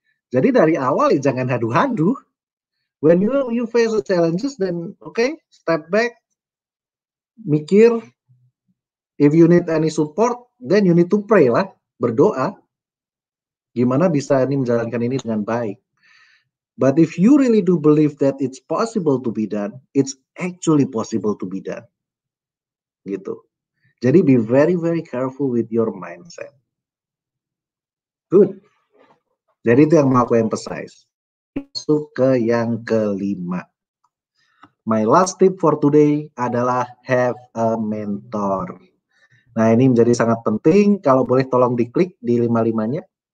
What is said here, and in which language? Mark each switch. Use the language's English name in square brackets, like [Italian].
[Indonesian] Jadi dari awal ya jangan aduh. [English] When you face the challenges, then okay, step back, mikir, if you need any support, then you need to pray lah, berdoa. [Indonesian] Gimana bisa ini menjalankan ini dengan baik. [English] But if you really do believe that it's possible to be done, it's actually possible to be done. Gitu. Jadi be very, very careful with your mindset. Good. [Indonesian] Jadi itu yang mau aku emphasize. Masuk ke yang kelima. [English] My last tip for today adalah have a mentor. [Indonesian] Nah ini menjadi sangat penting. Kalau boleh tolong diklik di 5-5-nya.